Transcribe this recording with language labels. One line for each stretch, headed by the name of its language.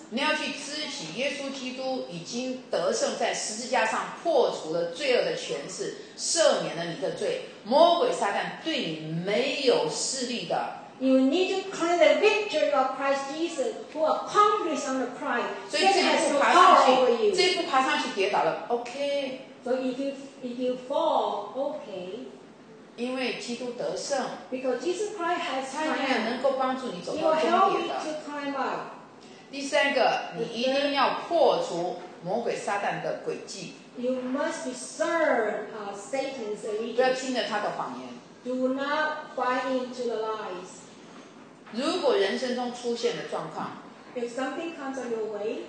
Chinese: 你要去知起耶稣基督已经得胜在十字架上破除了罪恶的权势，赦免了你的罪，魔鬼撒旦对你没有势力的。
English: You need to claim the victory of Christ Jesus who accomplished on the cross. So this has no power over you.
Chinese: 这一步爬上去跌倒了 okay.
English: So if you fall, okay.
Chinese: 因为基督得胜。
English: Because Jesus Christ has
Chinese: triumphed. 他也能够帮助你走到终点的。
English: He will help you to climb up.
Chinese: 第三个，你一定要破除魔鬼撒旦的诡计。
English: You must discern Satan's allegiance.
Chinese: 不要听着他的谎言。
English: Do not buy into the lies.
Chinese: 如果人生中出现的状况，
English: if something comes on your way,